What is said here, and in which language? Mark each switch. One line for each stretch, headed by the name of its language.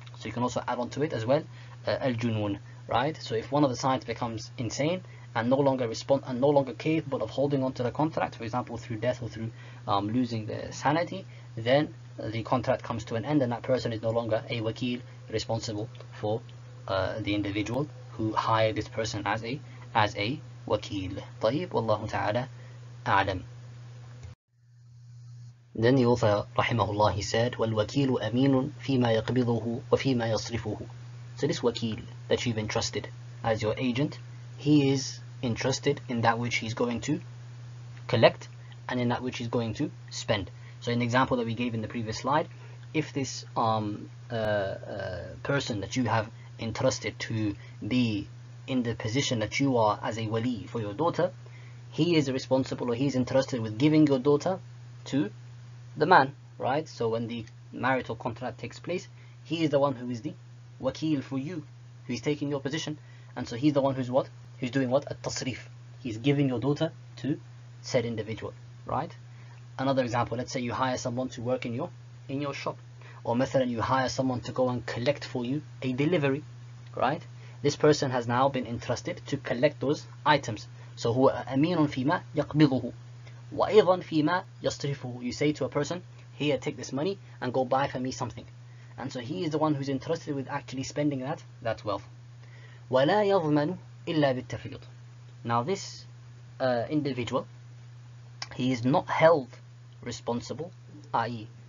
English: So you can also add on to it as well, al-junun, right? So if one of the sides becomes insane and no longer capable of holding on to the contract, for example through death or through losing their sanity, then the contract comes to an end and that person is no longer a wakil responsible for the individual who hired this person as a wakil.
Arabic: طيب والله تعالى أعلم.
English: Then the author
Arabic: رحمه الله
English: said,
Arabic: والوكيل أمين فيما يقبضه وفيما يصرفه.
English: So this wakil that you've entrusted as your agent, he is entrusted in that which he's going to collect and in that which he's going to spend. So in the example that we gave in the previous slide, if this person that you have entrusted to be in the position that you are as a wali for your daughter, he is responsible or he's entrusted with giving your daughter to the man, right? So when the marital contract takes place, he is the one who is the wakil for you, who's taking your position. And so he's the one who's what? He's doing what? At-tasrif. He's giving your daughter to said individual, right? Another example, let's say you hire someone to work in your shop, or مثلا you hire someone to go and collect for you a delivery, right? This person has now been entrusted to collect those items.
Arabic: So هو أمين فيما يقبضه وأيضا فيما يصرفه.
English: You say to a person, here, take this money and go buy for me something. And so he is the one who's entrusted with actually spending that wealth.
Arabic: ولا يضمن إلا بالتفريط.
English: Now this individual, he is not held responsible, i.e.